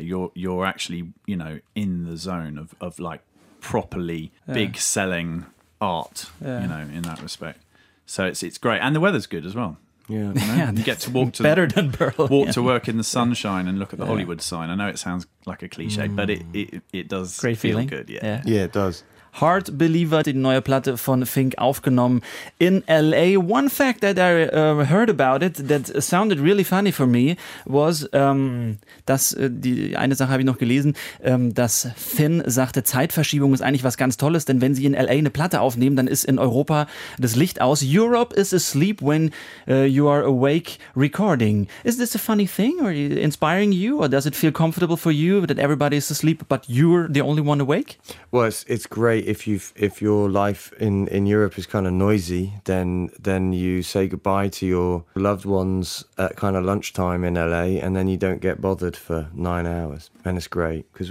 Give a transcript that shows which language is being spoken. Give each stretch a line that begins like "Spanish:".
English: You're actually, you know, in the zone of like properly big selling art, you know, in that respect. So it's great, and the weather's good as well. Yeah, you get to walk to better than Berlin. Walk to work in the sunshine and look at the Hollywood sign. I know it sounds like a cliche, but it does great feel good. Yeah. Yeah, it does.
German: Hard Believer, die neue Platte von Fink, aufgenommen in L.A.
English: One fact that I heard about it that sounded really funny for me was,
German: dass Finn sagte, Zeitverschiebung ist eigentlich was ganz Tolles, denn wenn sie in L.A. eine Platte aufnehmen, dann ist in Europa das Licht aus.
English: Europe is asleep when you are awake recording. Is this a funny thing or inspiring you, or does it feel comfortable for you that everybody is asleep but you're the only one awake? Well, it's great. If your life in Europe is kind of noisy, then you say goodbye to your loved ones at kind of lunchtime in LA, and then you don't get bothered for 9 hours, and it's great because